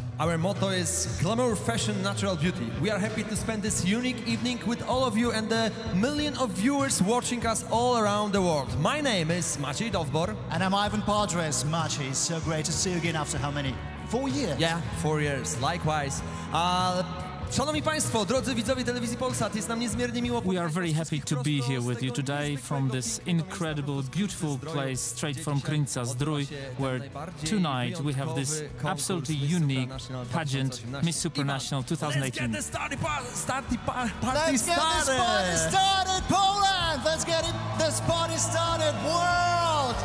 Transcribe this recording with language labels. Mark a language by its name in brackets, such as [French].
[English] Our motto is Glamour, Fashion, Natural Beauty. We are happy to spend this unique evening with all of you and the million of viewers watching us all around the world. My name is Maciej Dowbor. And I'm Ivan Padres. Maciej, so great to see you again after how many? 4 years. Yeah, 4 years. Likewise. [Polish] Szanowni Państwo, drodzy widzowie Telewizji Polsat, jest nam niezmiernie miło... [English] We are very happy to be here with you today from this incredible, beautiful place straight from Krynica-Zdrój, where tonight we have this absolutely unique pageant, Miss Supernatural 2018. Let's get the party started! Let's get this party started, Poland! Let's get this party started, world!